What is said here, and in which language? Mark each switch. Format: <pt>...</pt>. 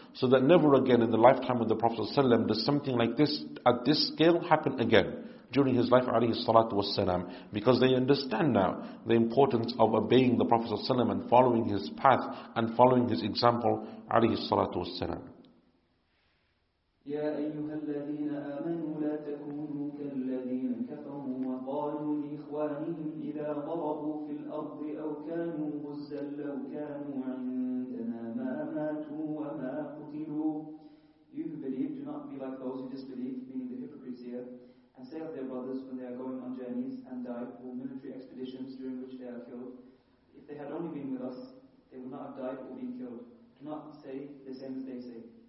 <en>So that never again in the lifetime of the Prophet ﷺ does something like this at this scale happen again during his life, alayhi salatu wasalam. Because they understand now the importance of obeying the Prophet ﷺ and following his path and following his example, alayhi salatu wasalam.</en> <ar>يا أيها الذين آمنوا لا تكونوا كالذين كفروا وقالوا لإخوانهم إذا ضربوا في الأرض أو كانوا غزا لو كانوا عندنا ما ماتوا وما قتلوا</ar> <en>You who believe, do not be like those who disbelieve, meaning the hypocrites here, and say of their brothers when they are going on journeys and die or military expeditions during which they are killed, if they had only been with us, they would not have died or been killed. Do not say the same as they say.</en>